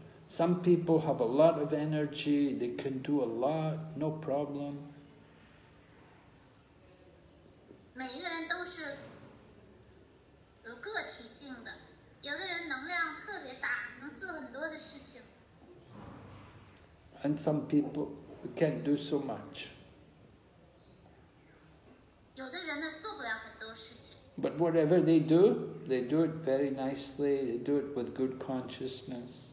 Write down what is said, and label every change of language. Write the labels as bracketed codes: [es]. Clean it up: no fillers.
[en] Some people have a lot of energy, they can do a lot, no problem. [zh] 每一个人都是有个体性的，有的人能量特别大，能做很多的事情. [en] And some people can't do so much. [zh] 有的人呢，做不了很多事情. [en] But whatever they do it very nicely, they do it with good consciousness.